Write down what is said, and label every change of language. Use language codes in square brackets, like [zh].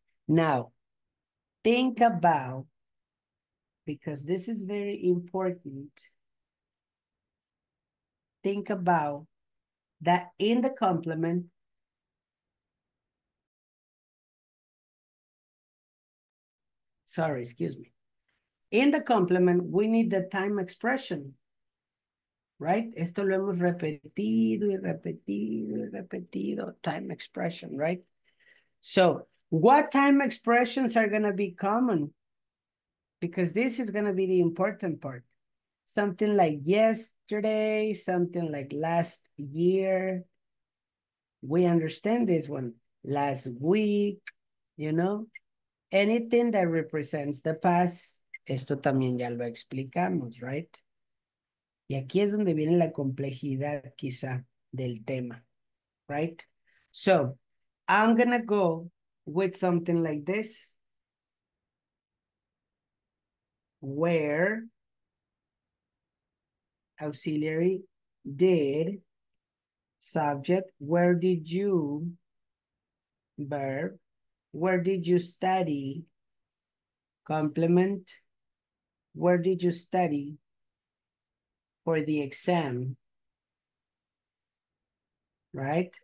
[en] Now, think about, because this is very important, think about that in the complement, sorry, excuse me. In the complement, we need the time expression. Right? [es] Esto lo hemos repetido y repetido y repetido. [en] Time expression, right? So, what time expressions are going to be common? Because this is going to be the important part. Something like yesterday, something like last year. We understand this one. Last week, you know? Anything that represents the past, [es] esto también ya lo explicamos, [en] right? [es] Y aquí es donde viene la complejidad, quizá, del tema, right? [en] So, I'm gonna go with something like this. Where, auxiliary, did, subject, where did you, verb, where did you study, complement, where did you study, for the exam, right?